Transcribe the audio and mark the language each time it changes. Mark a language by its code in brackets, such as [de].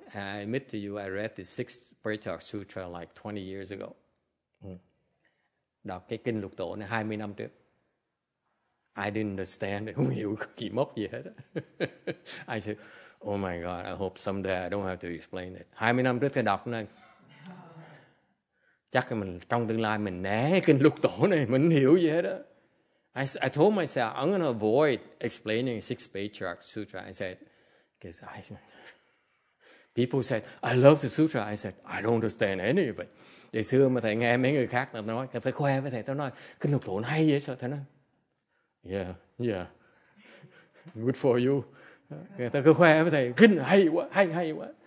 [en] I admit to you, I read the Sixth Paritak Sutra like 20 years ago. [vi] Đọc cái kinh Lục Tổ này 20 năm trước. [en] I didn't understand, [vi] không hiểu kỳ mốc gì hết. [en] I said, oh my God, I hope someday I don't have to explain it. [vi] 20 năm trước tôi đọc này. Chắc là mình trong tương lai mình né kinh Lục Tổ này, mình hiểu gì hết á. [en] I told myself, I'm going to avoid explaining Six Patriarch Sutra. I said, people said, I love the sutra. I said, I don't understand any of it. [vi] Để xưa mà thầy nghe mấy người khác mà nói, thầy phải khoe với thầy, tao nói, kinh Lục Tổ hay vậy sao? Thầy nói, [en] yeah, good for you. [vi] Người ta cứ khoe với thầy, kinh hay quá, hay quá.